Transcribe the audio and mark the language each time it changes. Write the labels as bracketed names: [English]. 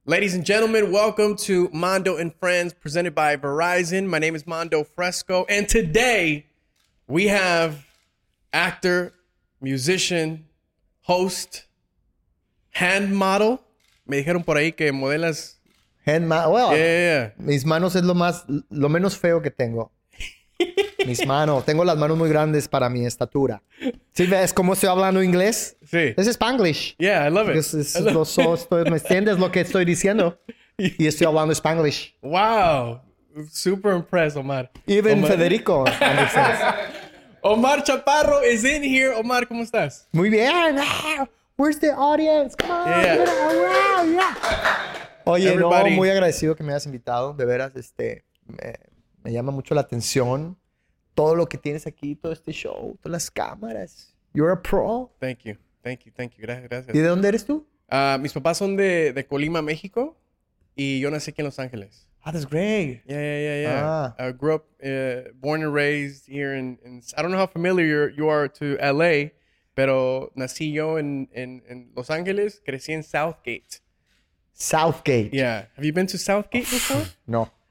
[English] Ladies and gentlemen, welcome to Mondo and Friends, presented by Verizon. My name is Mondo Fresco, and today we have actor, musician, host, hand model. [Spanish] Me dijeron por ahí que modelas... [English] Hand model. Well, yeah. [Spanish] Mis manos es lo menos feo que tengo. Mis manos. Tengo las manos muy grandes para mi estatura. ¿Sí ves cómo estoy hablando inglés? Sí. Es Spanglish. [English] Yeah, I love it. [Spanish] ¿Me entiendes lo que estoy diciendo? Y estoy hablando Spanglish. [English] Wow. Super impressed, Omar. Even Omar. Federico. Omar Chaparro is in here. [Spanish] Omar, ¿cómo estás? Muy bien. [English] Where's the audience? Come on. Yeah. Yeah. [Spanish] Oye, [English] everybody. [Spanish] No, muy agradecido que me hayas invitado. De veras, me llama mucho la atención. Todo lo que tienes aquí, todo este show, todas las cámaras. [English] You're a pro. Thank you. [Spanish] Gracias. ¿Y de dónde eres tú? Mis papás son de Colima, México. Y yo nací aquí en Los Ángeles. [English] Ah, that's great. Yeah. Ah. I grew up, born and raised here in... I don't know how familiar you are to L.A., [Spanish] pero nací yo en Los Ángeles. Crecí en Southgate. Southgate. [English] Yeah. Have you been to Southgate before? No.